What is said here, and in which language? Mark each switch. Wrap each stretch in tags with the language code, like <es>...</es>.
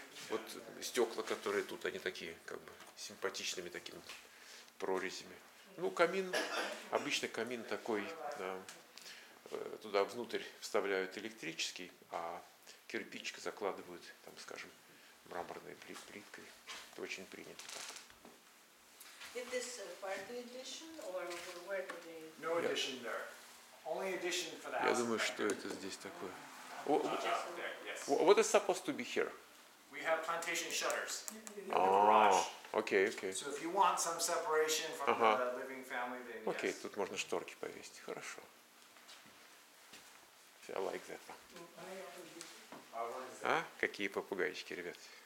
<ru>Вот стекла, которые тут, они такие, как бы, симпатичными такими прорезями. Ну, камин, обычно камин такой, да, туда внутрь вставляют электрический, а кирпичик закладывают, там, скажем, мраморной плиткой. Это очень принято.</ru> <en>Is this part of the addition, or where did they... No addition there. Only addition for the house.</en> <ru>Я думаю, что это здесь такое.</ru> <en>What is supposed to be here? We have plantation shutters in the garage. Okay, okay. So if you want some separation from the living family, then yes.</en> <ru>Okay, тут можно шторки повесить. Хорошо.</ru> <en>I like that one.</en> <ru>А? Какие попугайчики, ребят.</ru>